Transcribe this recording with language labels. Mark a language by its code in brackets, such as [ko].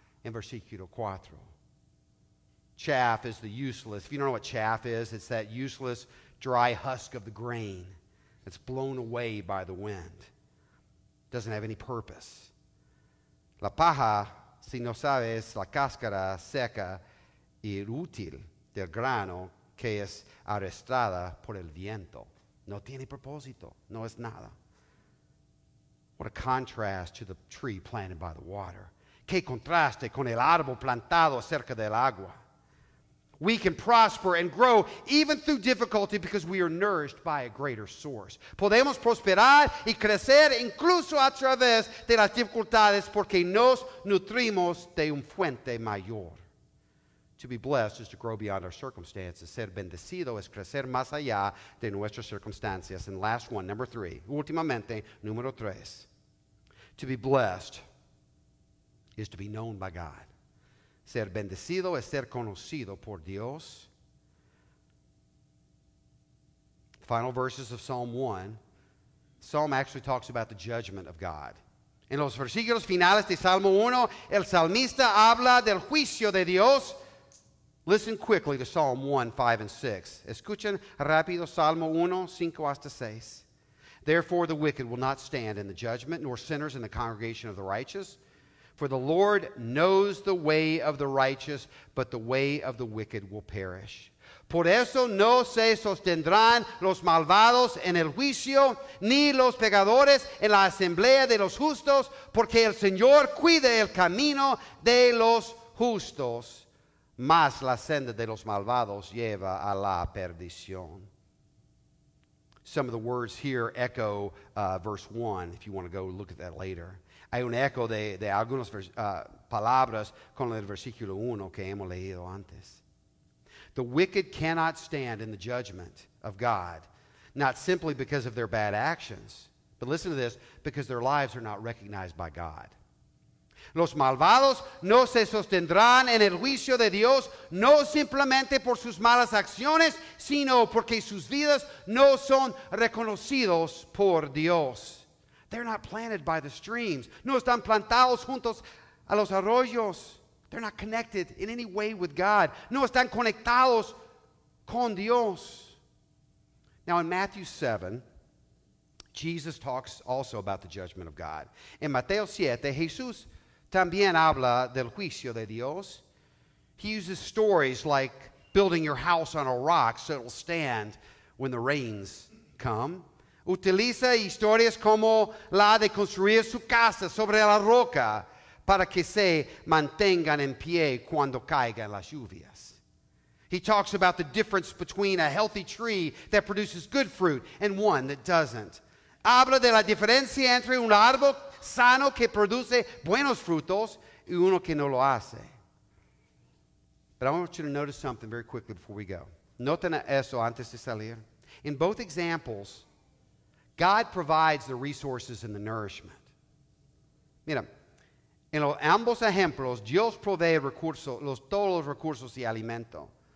[es] In versículo 4, [en] chaff is the useless. If you don't know what chaff is, it's that useless dry husk of the grain that's blown away by the wind. Doesn't have any purpose. [es] La paja, si no sabes, la cáscara seca y útil del grano que es arrastrada por el viento. No tiene propósito, no es nada. [en] What a contrast to the tree planted by the water. [es] Qué contraste con el árbol plantado cerca del agua. [en] We can prosper and grow even through difficulty because we are nourished by a greater source. [es] Podemos prosperar y crecer incluso a través de las dificultades porque nos nutrimos de una fuente mayor. [en] To be blessed is to grow beyond our circumstances. [es] Ser bendecido es crecer más allá de nuestras circunstancias. [en] And last one, number three. [es] Últimamente, número tres. [en] To be blessed is to be known by God. [es] Ser bendecido es ser conocido por Dios. [en] The final verses of Psalm 1. Psalm actually talks about the judgment of God. [es] En los versículos finales de Salmo 1, el salmista habla del juicio de Dios. [en] Listen quickly to Psalm 1, 5, and 6. [es] Escuchen rápido Salmo 1, 5 hasta 6. [en] Therefore, the wicked will not stand in the judgment, nor sinners in the congregation of the righteous. For the Lord knows the way of the righteous, but the way of the wicked will perish. [es] Por eso no se sostendrán los malvados en el juicio, ni los pecadores en la asamblea de los justos, porque el Señor cuida el camino de los justos. Mas la senda de los malvados lleva a la perdición. [en] Some of the words here echo verse 1, if you want to go look at that later. [es] Hay un eco de algunas palabras con el versículo 1 que hemos leído antes. [en] The wicked cannot stand in the judgment of God, not simply because of their bad actions, but listen to this, because their lives are not recognized by God. [es] Los malvados no se sostendrán en el juicio de Dios, no simplemente por sus malas acciones, sino porque sus vidas no son reconocidos por Dios. [en] They're not planted by the streams. [es] No están plantados juntos a los arroyos. [en] They're not connected in any way with God. [es] No están conectados con Dios. [en] Now in Matthew 7, Jesus talks also about the judgment of God. [es] In Mateo 7, Jesús también habla del juicio de Dios. [en] He uses stories like building your house on a rock so it'll stand when the rains come. [es] Utiliza historias como la de construir su casa sobre la roca para que se mantengan en pie cuando caigan las lluvias. [en] He talks about the difference between a healthy tree that produces good fruit and one that doesn't. [es] Habla de la diferencia entre un árbol sano que produce buenos frutos y uno que no lo hace. [en] But I want you to notice something very quickly before we go. [es] Noten eso antes de salir. [en] In both examples, God provides the resources and the nourishment. [es] Mira, en los ambos ejemplos, Dios provee todos los recursos y alimento.